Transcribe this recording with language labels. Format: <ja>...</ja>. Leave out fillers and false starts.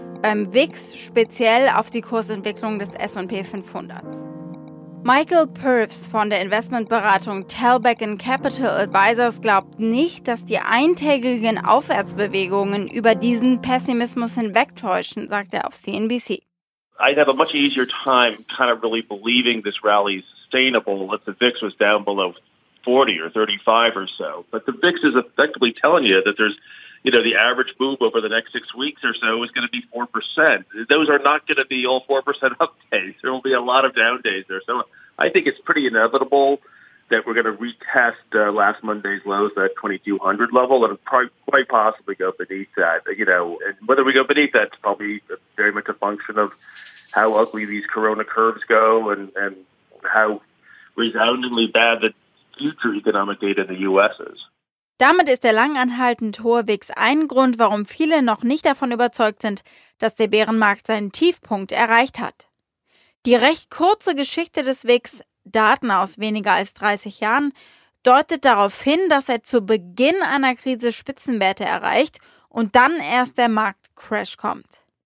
<de>Beim VIX speziell auf die Kursentwicklung des S&P 500. Michael Purves von der Investmentberatung Talbeck & Capital Advisors glaubt nicht, dass die eintägigen Aufwärtsbewegungen über diesen Pessimismus hinwegtäuschen, sagt er auf CNBC.</de> <en>I'd have a much easier time kind of really believing this rally is sustainable if the VIX was down below 40 or 35 or so. But the VIX is effectively telling you that there's, you know, the average move over the next 6 weeks or so is going to be 4%. Those are not going to be all 4% up days. There will be a lot of down days there. So I think it's pretty inevitable that we're going to retest last Monday's lows, that 2200 level, and quite possibly go beneath that. But, you know, and whether we go beneath that's probably very much a function of how ugly these corona curves go and how resoundingly bad the future economic data in the U.S. is.</en> <de>Damit ist der langanhaltend hohe VIX ein Grund, warum viele noch nicht davon überzeugt sind, dass der Bärenmarkt seinen Tiefpunkt erreicht hat. Die recht kurze Geschichte des VIX, Daten aus weniger als 30 Jahren, deutet darauf hin, dass er zu Beginn einer Krise Spitzenwerte erreicht und dann erst der Marktcrash kommt.</de>